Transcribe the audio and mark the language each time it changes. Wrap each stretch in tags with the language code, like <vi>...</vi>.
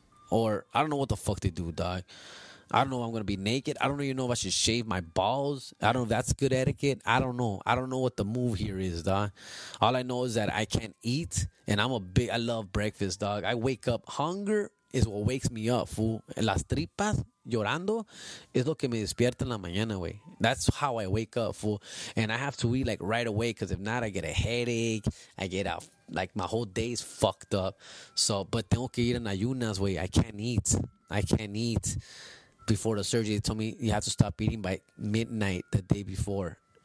<en>Or I don't know what the fuck they do, dog. I don't know if I'm going to be naked. I don't even know if I should shave my balls. I don't know if that's good etiquette. I don't know. I don't know what the move here is, dog. All I know is that I can't eat, and I love breakfast, dog. I wake up. Hunger is what wakes me up, fool.</en> <es>Las tripas llorando es lo que me despierta en la mañana, güey.</es> <en>That's how I wake up, fool. And I have to eat, like, right away, because if not, I get a headache. I get out. Like, my whole day is fucked up. So, but</en> <es>tengo que ir en ayunas, güey.</es> <en>I can't eat. Before the surgery, they told me you have to stop eating by midnight the day before.</en>